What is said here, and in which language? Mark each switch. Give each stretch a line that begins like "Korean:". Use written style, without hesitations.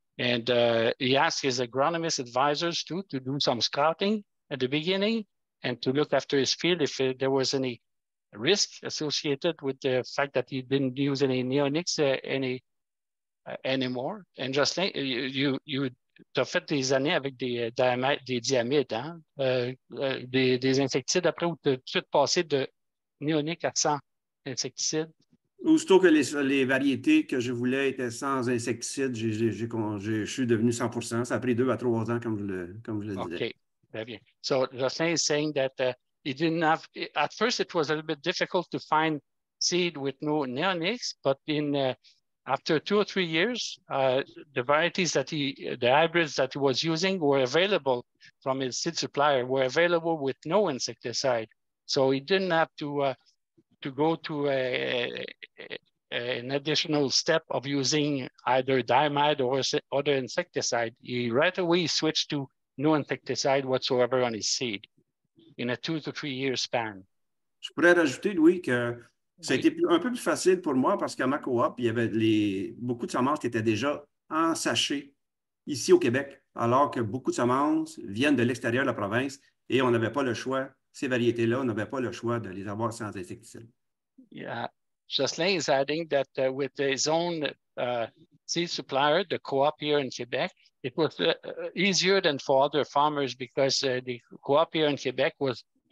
English: And he asked his agronomist advisors to do some scouting at the beginning and to look after his field if there was any risk associated with the fact that he didn't use any neonics anymore. And Jocelyn, you
French: tu as fait des années avec des diamides, hein? Des insecticides après, ou tu as tout de suite passé de néonique à sans insecticide? Aussitôt que les variétés que je voulais étaient sans insecticides, je suis devenu 100%. Ça a pris 2 à 3 ans, comme je le disais. OK, très bien.
English: So, Jocelyn is saying that he didn't have... At first, it was a little bit difficult to find seed with no neonics, but in... After 2 or 3 years, the varieties the hybrids that he was using were available from his seed supplier, were available with no insecticide. So he didn't have to go to an additional step of using either diamide or other insecticide. He right away switched to no insecticide whatsoever on his seed in a 2 to 3 year span.
French: Je pourrais rajouter, Louis, que... Ça a été un peu plus facile pour moi parce qu'à ma coop, il y avait beaucoup de semences qui étaient déjà en sachet ici au Québec, alors que beaucoup de semences viennent de l'extérieur de la province et on n'avait pas le choix, ces variétés-là, on n'avait pas le choix de les avoir sans insecticides.
English: Yeah. Jocelyn is adding that with his own seed supplier, the co-op here in Quebec, it was easier than for other farmers because the co-op here in Quebec was...